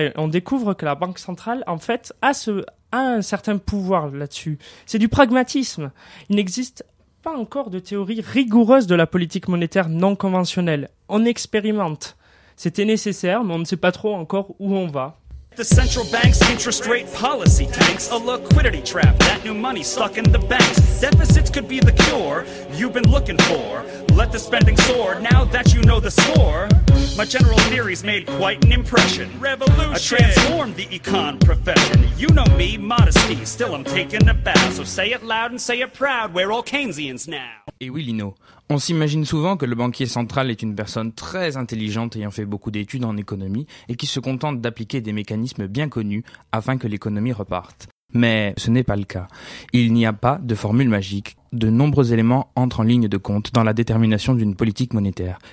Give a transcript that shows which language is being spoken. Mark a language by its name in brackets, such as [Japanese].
[French] Et on découvre que la Banque centrale, en fait, a un certain pouvoir là-dessus. C'est du pragmatisme. Il n'existe pas encore de théorie rigoureuse de la politique monétaire non conventionnelle. On expérimente. C'était nécessaire, mais on ne sait pas trop encore où on va. [English] The central bank's interest rate policy tanks, a liquidity trap, that new money stuck in the banks. Deficits could be the cure you've been looking for. Let the spending soar, now that you know the score. My general theory's made quite an impression. Revolution. I transformed the econ profession. You know me, modesty, still I'm taking a bow. So say it loud and say it proud, we're all Keynesians now. [French] Et oui, Lino, on s'imagine souvent que le banquier central est une personne très intelligente ayant fait beaucoup d'études en économie et qui se contente d'appliquer des mécanismes bien connus afin que l'économie reparte. Mais ce n'est pas le cas. Il n'y a pas de formule magique. De nombreux éléments entrent en ligne de compte dans la détermination d'une politique monétaire.